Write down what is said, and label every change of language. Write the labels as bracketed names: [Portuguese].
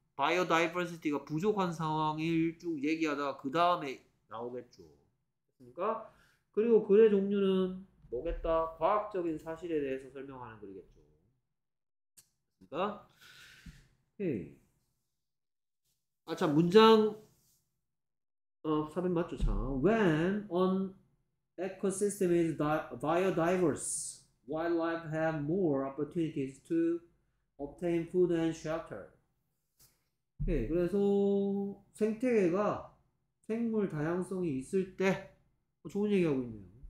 [Korean] 바이오다이버시티가 부족한 상황을 쭉 얘기하다가 그 다음에 나오겠죠. 그러니까 그리고 글의 종류는 뭐겠다? 과학적인 사실에 대해서 설명하는 글이겠죠. 그러니까 아, 참 문장 4번 맞죠? 참. [English] When an ecosystem is biodiverse, wildlife have more opportunities to obtain food and shelter. [Korean] 오케이, 그래서 생태계가 생물 다양성이 있을 때 좋은 얘기하고 있네요.